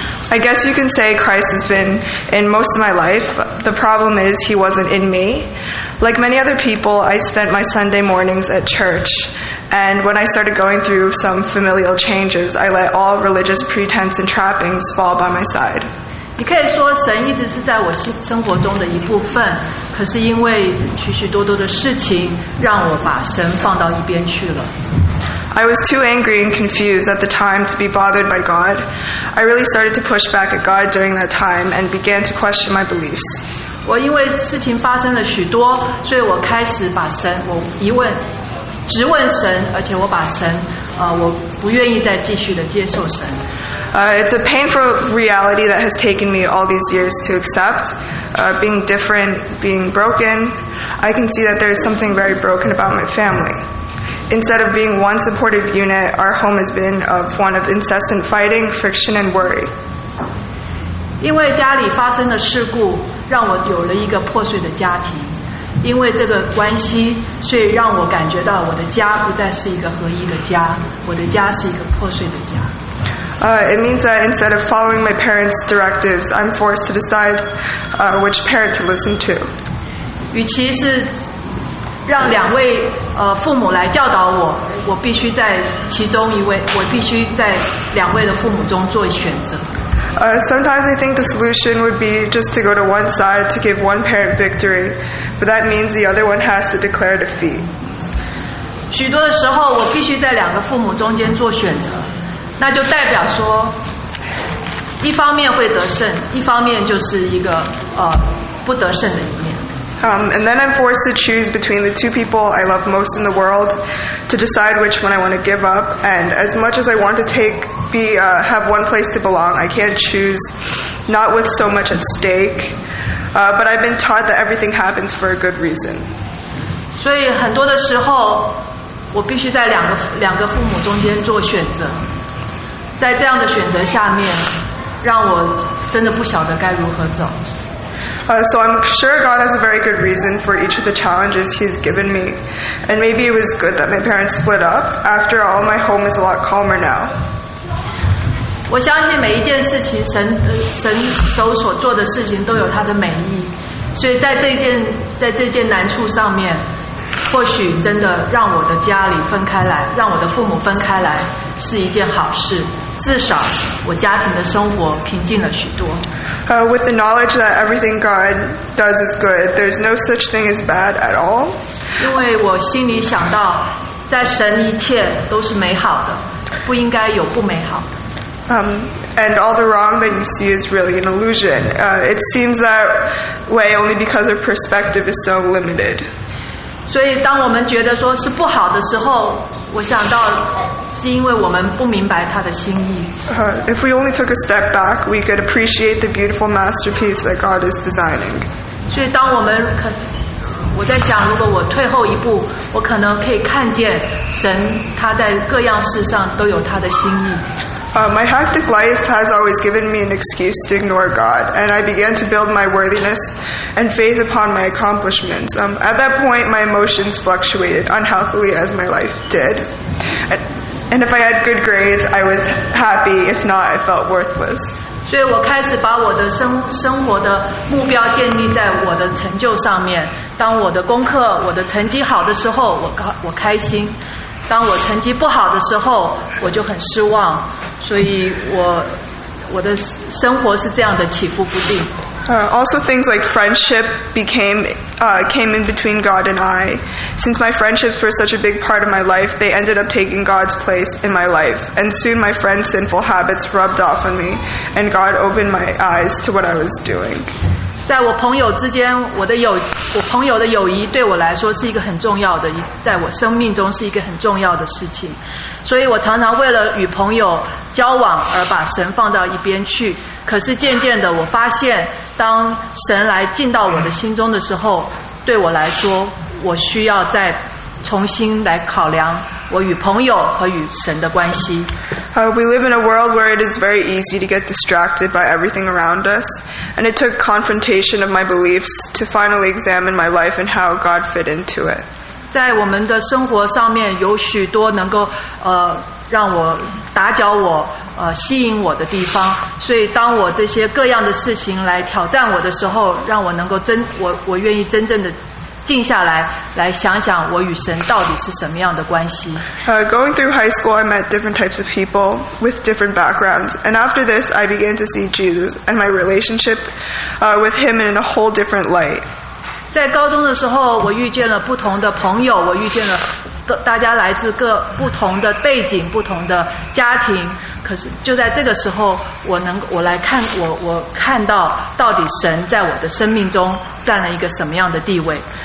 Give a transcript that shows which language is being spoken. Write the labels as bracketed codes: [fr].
[en] I guess you can say Christ has been in most of my life. The problem is he wasn't in me. Like many other people, I spent my Sunday mornings at church. And when I started going through some familial changes, I let all religious pretense and trappings fall by my side. [zh] 你可以说神一直是在我生活中的一部分，可是因为许许多多的事情让我把神放到一边去了。 [en] I was too angry and confused at the time to be bothered by God. I really started to push back at God during that time and began to question my beliefs. [zh] 我因为事情发生了许多，所以我开始把神，我疑问，质问神，而且我把神，我不愿意再继续的接受神。 [en] It's a painful reality that has taken me all these years to accept. Being different, being broken, I can see that there is something very broken about my family. Instead of being one supportive unit, our home has been of one of incessant fighting, friction, and worry. [zh] 因为家里发生了事故，让我有了一个破碎的家庭。因为这个关系，所以让我感觉到我的家不再是一个合一的家，我的家是一个破碎的家。 [en] It means that instead of following my parents' directives, I'm forced to decide which parent to listen to. [zh] 与其是让两位父母来教导我，我必须在其中一位，我必须在两位的父母中做选择。 [en] Sometimes I think the solution would be just to go to one side to give one parent victory, but that means the other one has to declare defeat. [zh] 许多的时候，我必须在两个父母中间做选择，那就代表说，一方面会得胜，一方面就是一个不得胜的一面。 [en] And then I'm forced to choose between the two people I love most in the world to decide which one I want to give up. And as much as I want to have one place to belong, I can't choose, not with so much at stake. But I've been taught that everything happens for a good reason. [zh] 所以很多的时候我必须在两个父母中间做选择，在这样的选择下面让我真的不晓得该如何走。 [en] So I'm sure God has a very good reason for each of the challenges he's given me. And maybe it was good that my parents split up. After all, my home is a lot calmer now. [zh] 我相信每一件事情神手所做的事情都有他的美意，所以在这件难处上面，或许真的让我的家里分开来，让我的父母分开来是一件好事，至少我家庭的生活平静了许多。 [en] With the knowledge that everything God does is good, there's no such thing as bad at all. [zh] 因为我心里想到，在神一切都是美好的，不应该有不美好的。 [en] And all the wrong that you see is really an illusion. It seems that way only because our perspective is so limited. [zh] 所以当我们觉得说是不好的时候，我想到是因为我们不明白他的心意。 [en] If we only took a step back, we could appreciate the beautiful masterpiece that God is designing. [zh] 所以当我们可我在想，如果我退后一步，我可能可以看见神他在各样事上都有他的心意。 [en] My hectic life has always given me an excuse to ignore God, and I began to build my worthiness and faith upon my accomplishments. At that point, my emotions fluctuated unhealthily as my life did. And if I had good grades, I was happy. If not, I felt worthless. [zh] 所以我开始把我的生活的目标建立在我的成就上面。当我的功课、我的成绩好的时候，我开心。当我成绩不好的时候，我就很失望。所以我的生活是这样的起伏不定。 [en] Also things like friendship came in between God and I. Since my friendships were such a big part of my life, they ended up taking God's place in my life. And soon my friend's sinful habits rubbed off on me, and God opened my eyes to what I was doing. [zh] 在我朋友之间，我朋友的友谊对我来说是一个很重要的，在我生命中是一个很重要的事情。所以我常常为了与朋友交往而把神放到一边去，可是渐渐的我发现，当神来进到我的心中的时候，对我来说，我需要再重新来考量我与朋友和与神的关系。 [en] We live in a world where it is very easy to get distracted by everything around us, and it took confrontation of my beliefs to finally examine my life and how God fit into it. [zh] 在我们的生活上面有许多能够让我打搅我吸引我的地方，所以当我这些各样的事情来挑战我的时候，让我能够我愿意真正的静下来，来想想我与神到底是什么样的关系。 [en] Going through high school, I met different types of people with different backgrounds, and after this, I began to see Jesus and my relationship with Him in a whole different light. [zh] 在高中的时候，我遇见了不同的朋友，我遇见了大家来自各不同的背景、不同的家庭。可是就在这个时候，我看到到底神在我的生命中占了一个什么样的地位。